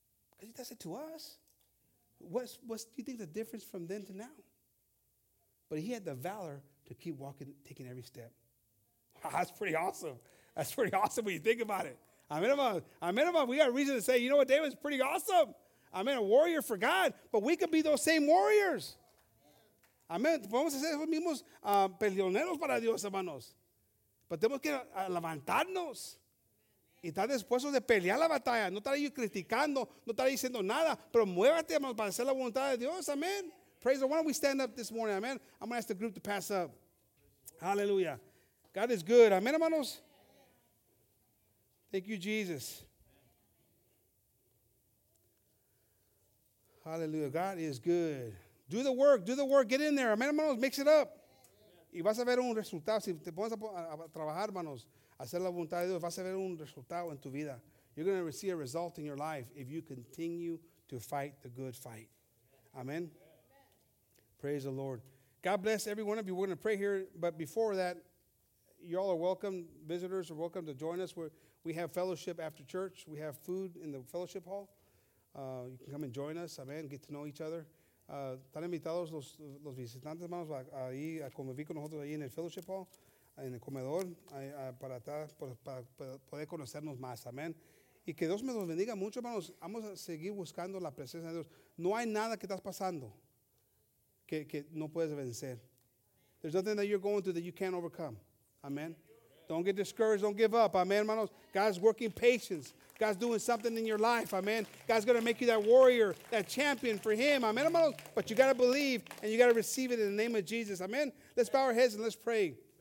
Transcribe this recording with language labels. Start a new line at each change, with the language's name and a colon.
English: Because he does it to us. What do you think the difference from then to now? But he had the valor to keep walking, taking every step. Wow, that's pretty awesome. That's pretty awesome when you think about it. I mean, we got a reason to say, you know what, David's pretty awesome. I mean, a warrior for God, but we could be those same warriors. I mean,
Spanish: podemos ser los mismos peleoneros para Dios, hermanos. But tenemos que levantarnos. Y está dispuesto de pelear la batalla. No está ahí criticando. No está ahí diciendo nada. Pero muévete, hermanos, para hacer la voluntad de Dios. Amén.
English: Praise the Lord. Why don't we stand up this morning? Amén. I'm going to ask the group to pass up. Hallelujah. God is good.
Spanish: Amén, hermanos.
English: Thank you, Jesus. Hallelujah. God is good. Do the work. Do the work. Get in there.
Spanish: Amén, hermanos.
English: Mix it up.
Spanish: Y vas a ver un resultado. Si te pones a trabajar, hermanos. Hacer la voluntad de Dios, vas a ver un resultado en tu vida.
English: You're going to receive a result in your life if you continue to fight the good fight. Amen. Praise the Lord. God bless every one of you. We're going to pray here. But before that, you all are welcome. Visitors are welcome to join us. We have fellowship after church. We have food in the fellowship hall. You can come and join us. Amen. Get to know each other.
Spanish: Están invitados los visitantes, hermanos, ahí a convivir con nosotros ahí en el fellowship hall. En el comedor, para poder conocernos más, amén. Y que Dios me los bendiga mucho, hermanos. Vamos a seguir buscando la presencia de Dios. No hay nada que estás pasando que no puedes vencer.
English: There's nothing that you're going through that you can't overcome, amén. Don't get discouraged, don't give up,
Spanish: amén, hermanos.
English: God's working patience. God's doing something in your life, amén. God's going to make you that warrior, that champion for him,
Spanish: amén, hermanos.
English: But you got to believe and you got to receive it in the name of Jesus, amén. Let's bow our heads and let's pray.